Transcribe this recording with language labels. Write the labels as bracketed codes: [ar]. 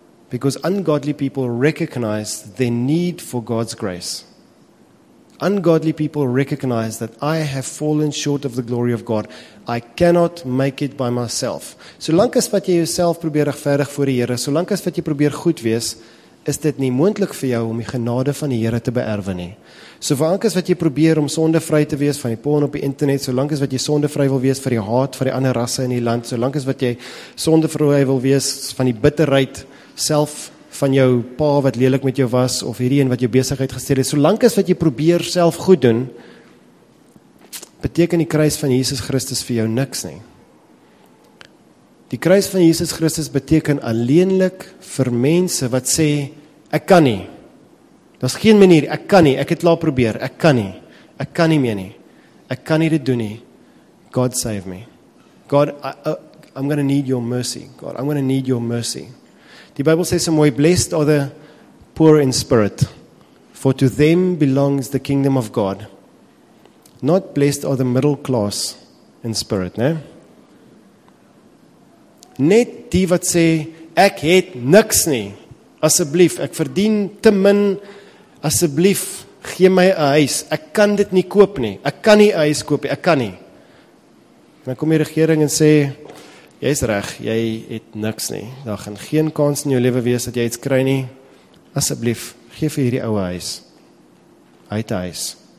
[en] Because ungodly people recognize their need for God's grace. Ungodly people recognize that I have fallen short of the glory of God. I cannot make it by myself. [af] Solank as wat jy jouself probeer regverdig voor die Here, solank as wat jy probeer goed wees, is dit nie moontlik vir jou om die genade van die Here te beerwe nie. So lank as wat jy probeer om sondevry te wees van die porn op die internet, so lank as wat jy sondevry wil wees vir die haat van die ander rasse in die land, so lank as wat jy sondevry wil wees van die bitterheid self van jou pa wat lelik met jou was of hierdie een wat jou besigheid gesteel het, so lank as wat jy probeer self goed doen, beteken die kruis van Jesus Christus vir jou niks nie. Die kruis van Jesus Christus beteken alleenlik vir mense wat sê, ek kan nie. Daar's geen manier, ek kan nie, ek het laat probeer, ek kan nie. Ek kan nie meer nie. Ek kan nie dit doen nie. [en] God save me. God, I'm going to need your mercy. God, I'm going to need your mercy. [af] Die Bybel sê so mooi, [en] blessed are the poor in spirit, for to them belongs the kingdom of God. Not blessed are the middle class in spirit, né? [af] Net die wat sê, ek het niks nie, asseblief, ek verdien te min, asseblief, gee my 'n huis, ek kan dit nie koop nie, ek kan nie 'n huis koop nie, ek kan nie. En dan kom die regering en sê, jy is reg, jy het niks nie, daar gaan geen kans in jou lewe wees dat jy iets kry nie, asseblief, gee vir hierdie ouwe huis, hy het 'n huis.